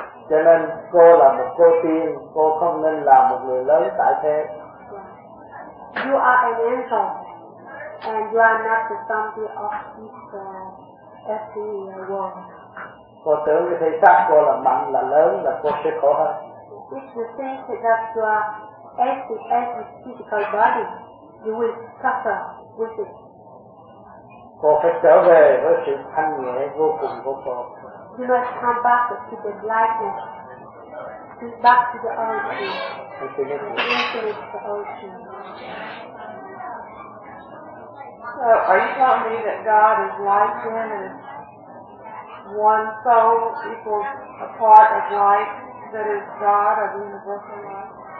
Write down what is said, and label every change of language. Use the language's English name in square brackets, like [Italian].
[Vietnamese] Cho nên cô là một cô tiên, cô không nên là một người lớn tại thế. [English] You are an angel, and you are not the somebody of this earthly world. [Vietnamese] Cô tưởng cái thể xác cô là mạnh, là lớn, là cô sẽ khổ hơn. [English] If you think that you are as the earthly physical body, you will suffer with it. [Vietnamese] Cô phải trở về với sự thanh nhẹ vô cùng của cô. [English] You must come back to the lightness, to back to the ocean, to the ocean. So, are you telling me that God is like him and is one soul equals a part of life that is God of universal life?